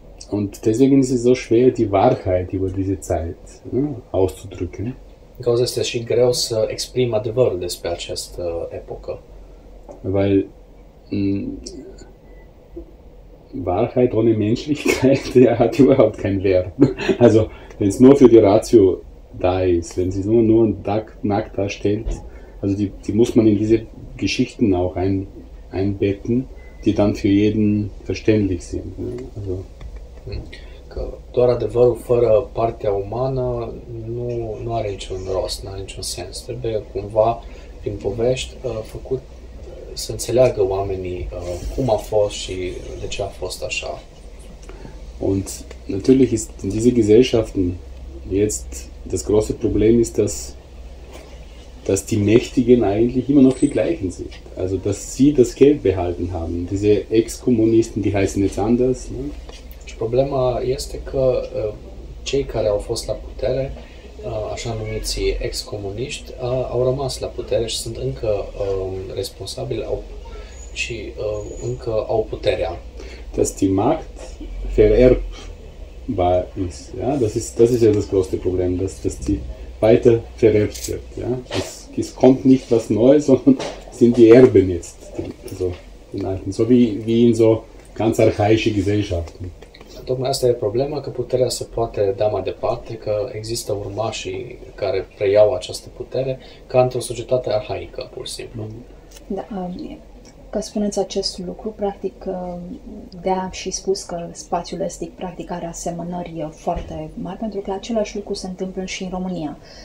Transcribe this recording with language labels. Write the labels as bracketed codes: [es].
[de] Und deswegen ist es so schwer, die Wahrheit über diese Zeit, ne, auszudrücken. [ro] Din cauza asta este și greu să exprim adevărul despre această epocă. [de] Weil Wahrheit ohne Menschlichkeit, ja, hat überhaupt keinen Wert. Also, wenn es nur für die Ratio da ist, wenn sie nur nackt darstellt, also die muss man in diese Geschichten auch einbetten, die dann für jeden verständlich sind. Also, [ro] că doar adevărul fără partea umană nu are niciun rost, nu are niciun sens. Trebuie cumva, prin povești, făcut să înțeleagă oamenii cum a fost și de ce a fost așa. [de] Und natürlich ist in diese Gesellschaften jetzt das große Problem ist, dass die Mächtigen eigentlich immer noch die gleichen sind. Also dass sie das Geld behalten haben. Diese Ex-Kommunisten, die heißen jetzt anders. Ne? [ro] Și problema este că cei care au fost la putere, așa numiți ex-comuniști, au rămas la putere și sunt încă responsabili și încă au puterea. [de] Dass die Macht vererbbar ist, ja? Das ist ja das größte Problem, dass die weiter vererbt wird. Ja? Es kommt nicht was Neues, sondern sind die Erben jetzt, also den Alten, so wie in so ganz archaische Gesellschaften. [ro] Tocmai asta e problema, că puterea se poate da mai departe, că există urmașii care preiau această putere, ca într-o societate arhaică, pur și simplu. Da, că spuneți acest lucru, practic, de-am și spus că spațiul estic, practic, are asemănări foarte mari, pentru că același lucru se întâmplă și în România.